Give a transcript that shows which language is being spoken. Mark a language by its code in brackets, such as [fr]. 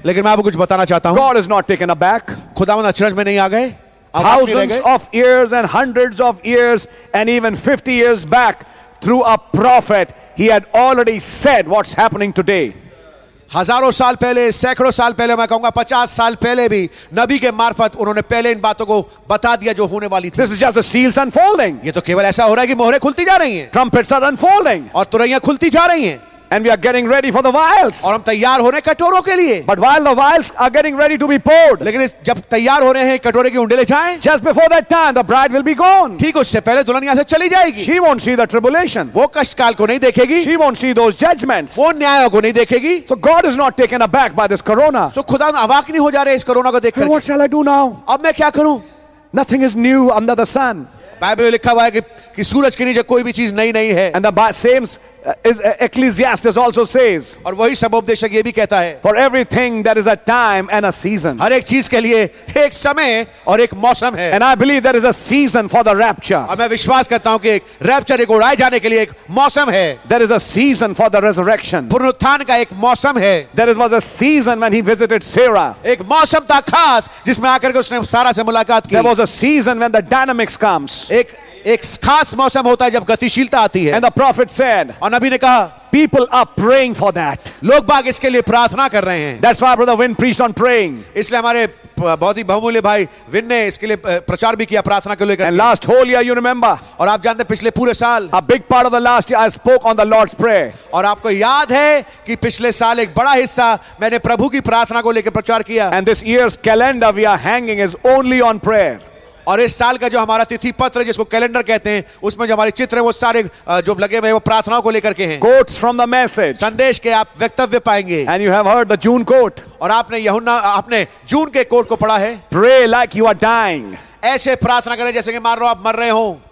[hi] लेकिन मैं आपको कुछ बताना चाहता हूँ. [en] God is not taken aback. [hi] खुदावंद अचरज में नहीं आ गए. [en] Thousands of years and hundreds of years and even 50 years back, through a prophet, he had already said what's happening today. [hi] हजारों साल पहले, सैकड़ों साल पहले, मैं कहूंगा 50 साल पहले भी नबी के मार्फत उन्होंने पहले इन बातों को बता दिया जो होने वाली थी. [en] This is just the seals unfolding. [hi] ये तो केवल ऐसा हो रहा है कि मोहरें खुलती जा रही हैं. [en] Trumpets are unfolding. [hi] और तुरैया खुलती जा रही हैं. [en] And we are getting ready for the vials. [hi] और हम तैयार हो रहे हैं कटोरों के लिए. [en] But while the vials are getting ready to be poured. [hi] लेकिन जब तैयार हो रहे हैं कटोरे की उंडेले जाएं. [en] Just before that time, the bride will be gone. [hi] ठीक उससे पहले दुल्हन यहाँ से चली जाएगी. [en] She won't see the tribulation. [hi] वो कष्टकाल को नहीं देखेगी. [en] She won't see those judgments. [hi] वो न्यायों को नहीं देखेगी. [en] So God is not taken aback by this corona. [hi] So खुदा अवाक नहीं हो जा रहे इस कोरोना को देखकर. [en] What shall I do now? [hi] अब मैं क्या करूं? [en] Nothing is new under the sun. [hi] Bible में लिखा हुआ है कि सूरज के नीचे कोई भी चीज नई नहीं है. [en] And the same is Ecclesiastes also says. [hi] और वही सबोपदेशक ये भी कहता है. [en] For everything there is a time and a season. [hi] हर एक चीज के लिए एक समय और एक मौसम है. [en] And I believe there is a season for the rapture. [hi] और मैं विश्वास करता हूँ कि एक रैप्चर एक उड़ाए जाने के लिए एक मौसम है. [en] There is a season for the resurrection. [hi] पुनरुत्थान का एक मौसम है. [en] There was a season when he visited Sarah. [hi] एक मौसम था खास जिसमें आकर उसने सारा से मुलाकात की. [en] There was a season when the dynamics comes. [hi] एक खास मौसम होता है जब गतिशीलता आती है. [en] And the prophet said, [hi] और नबी ने कहा, [en] people are praying for that. [hi] लोग बाग इसके लिए प्रार्थना कर रहे हैं. [en] That's why brother Vin preached on praying. [hi] इसलिए हमारे बहुत ही बहुमूल्य भाई विन ने इसके लिए प्रचार भी किया प्रार्थना के लिए. [en] And last whole year, you remember, [hi] और आप जानते पिछले पूरे साल, [en] a big part of the last year, I spoke on the Lord's prayer. [hi] और आपको याद है कि पिछले साल एक बड़ा हिस्सा मैंने प्रभु की प्रार्थना को लेकर प्रचार किया. [en] And this year's calendar we are hanging is only on prayer. [hi] और इस साल का जो हमारा तिथि पत्र जिसको कैलेंडर कहते हैं उसमें जो हमारे चित्र हैं वो सारे जो लगे हुए हैं वो प्रार्थनाओं को लेकर के हैं [en] quotes from the message [hi] संदेश के आप वक्तव्य पाएंगे [en] and you have heard the John quote [hi] और आपने यूहन्ना आपने जून के कोट को पढ़ा है [en] pray like you are dying [hi] ऐसे प्रार्थना करें जैसे कि मान लो आप मर रहे हो